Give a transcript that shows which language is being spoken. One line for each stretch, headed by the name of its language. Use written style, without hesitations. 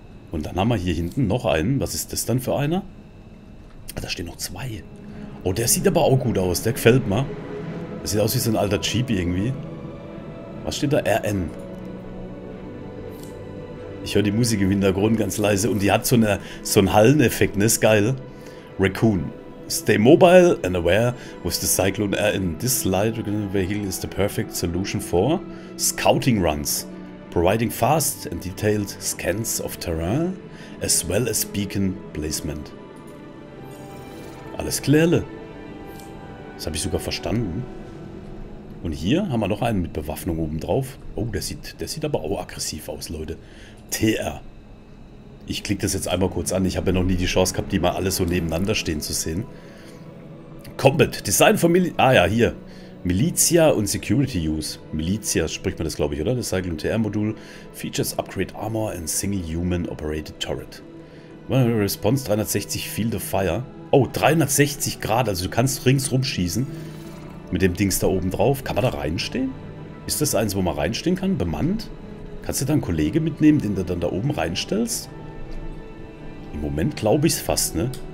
German: Und dann haben wir hier hinten noch einen. Was ist das dann für einer? Ah, da stehen noch zwei. Oh, der sieht aber auch gut aus. Der gefällt mir. Der sieht aus wie so ein alter Jeep irgendwie. Was steht da? RN. Ich höre die Musik im Hintergrund ganz leise. Und die hat so einen Halleneffekt. Ne? Ist geil. Raccoon.
English: Stay mobile and aware with the Cyclone RN. This light vehicle is the perfect solution for scouting runs. Providing fast and detailed scans of terrain, as well as beacon placement.
German: Alles klärle. Das habe ich sogar verstanden. Und hier haben wir noch einen mit Bewaffnung obendrauf. Oh, der sieht aber auch aggressiv aus, Leute. TR. Ich klicke das jetzt einmal kurz an. Ich habe ja noch nie die Chance gehabt, die mal alle so nebeneinander stehen zu sehen. Combat. Design von Milli... Ah ja, hier. Militia und Security Use. Militia, spricht man das, glaube ich, oder? Das Cyclone TR-Modul.
English: Features Upgrade Armor and Single Human Operated Turret. Response 360 Field of Fire. Oh, 360 Grad.
German: Also du kannst ringsrum schießen. Mit dem Dings da oben drauf. Kann man da reinstehen? Ist das eins, wo man reinstehen kann? Bemannt? Kannst du da einen Kollege mitnehmen, den du dann da oben reinstellst? Im Moment glaube ich es fast, ne?